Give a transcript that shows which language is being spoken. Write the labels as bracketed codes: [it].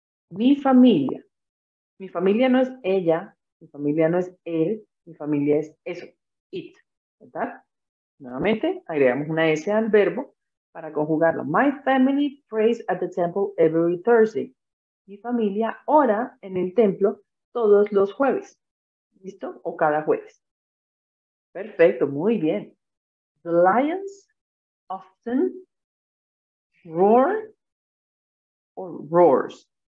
[es] Mi familia. Mi familia no es ella, mi familia no es él, mi familia es eso, it, ¿verdad? Nuevamente, agregamos una S al verbo para conjugarlo. [en] My family prays at the temple every Thursday. [es] Mi familia ora en el templo todos los jueves, ¿listo? O cada jueves. Perfecto, muy bien. [en] The lions often roar or roars.